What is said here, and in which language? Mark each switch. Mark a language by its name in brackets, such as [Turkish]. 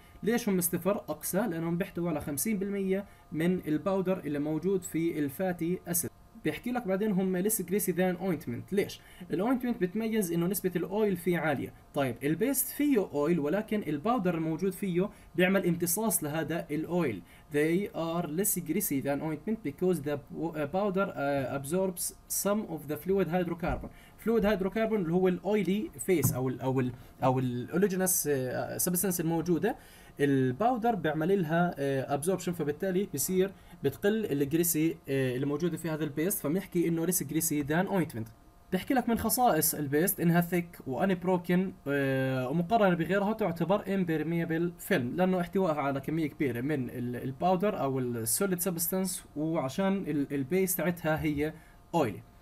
[Arabic] ليش هم ستيفر؟ اقسى لانهم بيحتوي على 50% من الباودر اللي موجود في الفاتي اسيد. بيحكي لك بعدين هم [English] less greasy than ointment. [Arabic] ليش؟ الاوينتمنت بتميز انه نسبة الاويل فيه عالية. طيب البيست فيه اويل ولكن الباودر الموجود فيه بيعمل امتصاص لهذا الاويل. [English] They are less greasy than ointment because the powder absorbs some of the fluid hydrocarbon. [Arabic] Fluid hydrocarbon اللي هو الاويلي فيس او الاوليجينس سبستنس الموجودة. الباودر بيعمل لها absorption فبالتالي بيصير بتقل الجريسي اللي موجوده في هذا البيست، فبنحكي انه ليس جريسي ذان اوينتمنت. بحكي لك من خصائص البيست انها ثيك واني بروكن، ومقارنه بغيرها تعتبر امبرميبل فيلم لانه احتوائها على كميه كبيره من الباودر او السوليد سبستنس، وعشان البيست تاعتها هي اويلي.